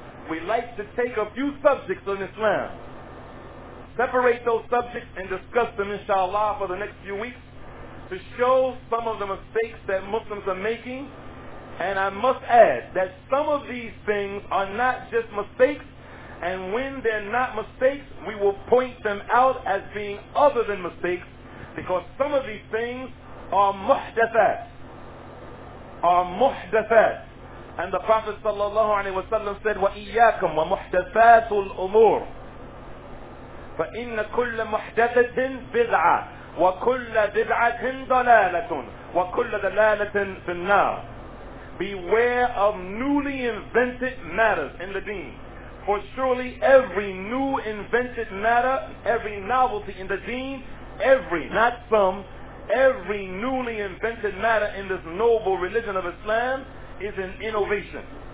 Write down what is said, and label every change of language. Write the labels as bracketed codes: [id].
[en] We like to take a few subjects on Islam, separate those subjects and discuss them, inshallah, for the next few weeks to show some of the mistakes that Muslims are making. And I must add that some of these things are not just mistakes, and when they're not mistakes, we will point them out as being other than mistakes, because some of these things are muhdathat. Are muhdathat. And the Prophet sallallahu alaihi wasallam said, [ar] وَإِيَّاكُمْ وَمُحْدَثَاتُ الْأُمُورِ فَإِنَّ كُلَّ مُحْدَثَةٍ بِدْعَةٍ وَكُلَّ بِدْعَةٍ ضَلَالَةٌ وَكُلَّ ضَلَالَةٍ فِي النَّارِ. [en] Beware of newly invented matters in the deen. For surely every new invented matter, every novelty in the deen, every, not some, every newly invented matter in this noble religion of Islam is an innovation.